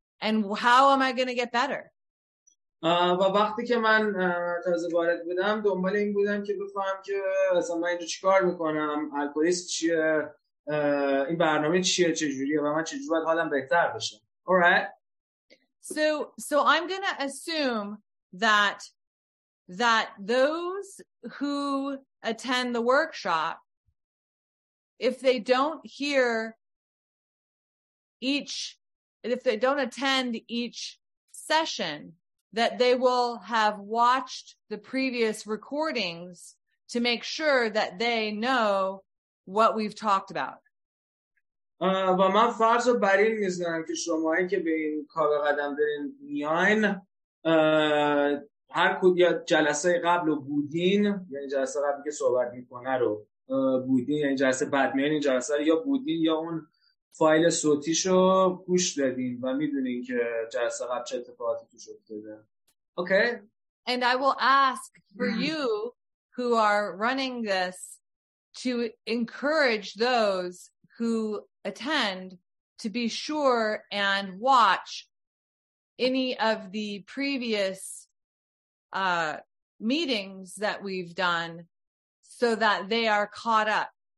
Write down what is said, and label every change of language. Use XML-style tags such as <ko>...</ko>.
<en>And how am I going to get better?</en> <fa>و وقتی که من تازه وارد بودم، دنبال این بودم که بفهم که اصلا من اینجا چی کار میکنم، الکلیست چیه؟ این برنامه چیه، چجوریه و من چجوری باید حالم بهتر بشه.</fa> <en>Alright. So I'm gonna assume that those who attend the workshop, if they don't hear each, if they don't attend each session, that they will have watched the previous recordings to make sure that they know what we've talked about.</en> <fa>و من فرض رو بر این میزنم که شماهایی که به این کار قدم دارین میاین هر کدوم یا جلسه قبل رو بودین، یعنی جلسه قبلی که صحبت میکنه رو بودین، یعنی جلسه بعد میاین این جلسه رو یا بودین یا اون فایل صوتیشو گوش دادین و میدونین که جلسه قبل چه اتفاقاتی توش افتاده.</fa> <en>Okay. And I will ask for you who are running this to encourage those who attend to be sure and watch any of the previous meetings that we've done so that they are caught up.</en>